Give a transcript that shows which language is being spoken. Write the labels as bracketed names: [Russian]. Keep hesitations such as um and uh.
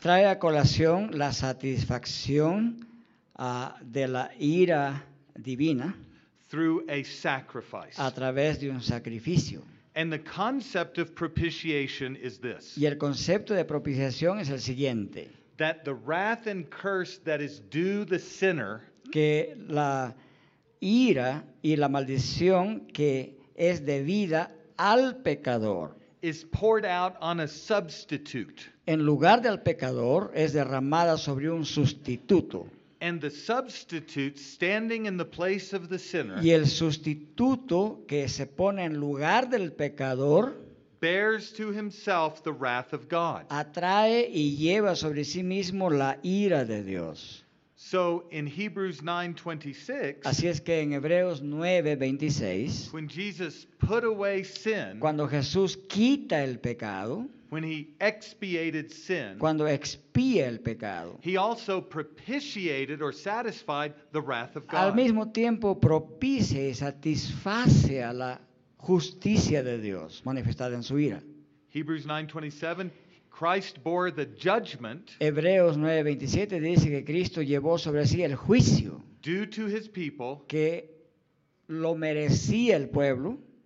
[Spanish] trae a colación la satisfacción uh, de la ira divina [English] through a sacrifice [Spanish] a través de un sacrificio [English] and the concept of propitiation is this [Spanish] y el concepto de propiciación es el siguiente [English] That the wrath and curse that is due the [Spanish] sinner, que la ira y la maldición que es debida al pecador [English] is poured out on a substitute [Spanish] en lugar del pecador es derramada sobre un sustituto [English] and the substitute standing in the place of the sinner [Spanish] y el sustituto que se pone en lugar del pecador [English] bears to himself the wrath of God. [Spanish] Atrae y lleva sobre sí mismo la ira de Dios. [English] So in Hebrews 9:26, [Spanish] Así es que en Hebreos 9:26, when [English] Jesus put away sin, [Spanish] cuando Jesús quita el pecado, [English] when he expiated sin, [Spanish] cuando expía el pecado, [English] he also propitiated or satisfied the wrath of God. Al [Spanish] mismo tiempo propicia y satisface a la justicia de Dios manifestada en su ira. [English] 9, 27, Christ bore the judgment [Spanish] Hebreos 9:27 dice que Cristo llevó sobre sí el juicio. [English] Due [Spanish] que lo merecía el pueblo.